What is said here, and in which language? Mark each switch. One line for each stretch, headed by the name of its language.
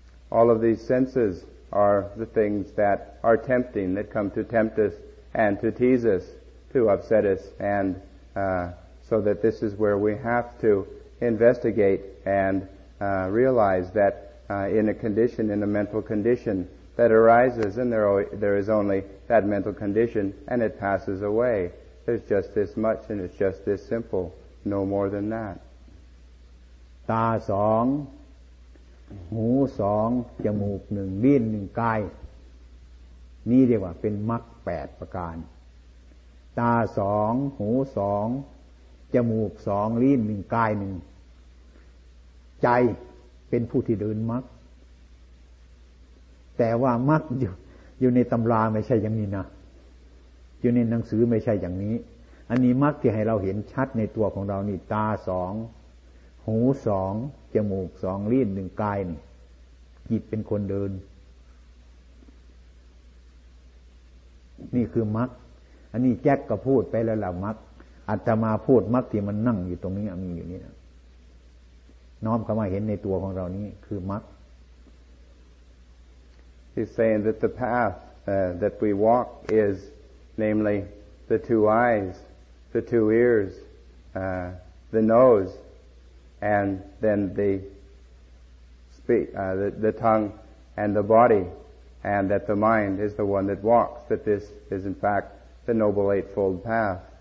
English: All of these senses are the things that are tempting that come to tempt us and to tease us to upset us and so that this is where we have to investigate and realize that in a condition in a mental condition that arises and there is only that mental condition and it passes awayIt's just this much, and it's just this simple, no more than that.
Thai: ตาสองหูสองจมูกหนึ่งลิ้นหนึ่งกายนี่เรียกว่าเป็นมรรคแปดประการตาสองหูสองจมูกสองลิ้นหนึ่งกายหนึ่งใจเป็นผู้ที่เดินมรรค แต่ว่ามรรคอยู่ในตำราไม่ใช่อย่างนี้นะอยู่ในหนังสือไม่ใช่อย่างนี้อันนี้มรรคที่ให้เราเห็นชัดในตัวของเรานี่ตาสองหูสองจมูกสองลิ้นหนึ่งกายนี่จิตเป็นคนเดิน นี่คือมรรคอันนี้แจ็คก็พูดไปแล้วล่ะมรรคอาตมาพูดมรรคที่มันนั่งอยู่ตรงนี้มีอยู่นี่นะน้อมเข้ามาเห็นในตัวของเรานี่คือมรรค
English: He's saying that the path that we walk isNamely, the two eyes, the two ears, the nose, and then the tongue and the body, and that the mind is the one that walks, that this is in fact the Noble Eightfold Path.